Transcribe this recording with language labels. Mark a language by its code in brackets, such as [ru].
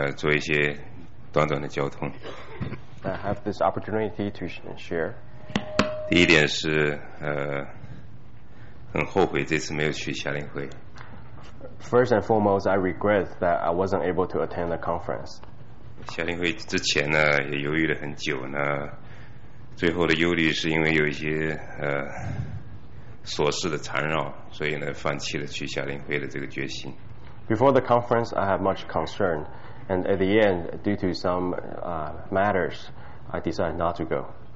[zh] 今天有机会做一些短短的交通。 [en] I have this opportunity to share. [zh] 第一点是很后悔这次没有去夏令会。 [en] First and foremost, I regret that I wasn't able to attend the conference. [zh] 夏令会之前呢也犹豫了很久呢，最后的忧虑是因为有一些琐事的缠绕，所以呢放弃了去夏令会的这个决心。 [en] Before the conference, I had much concern, and at the end, due to some matters, I decided not to go.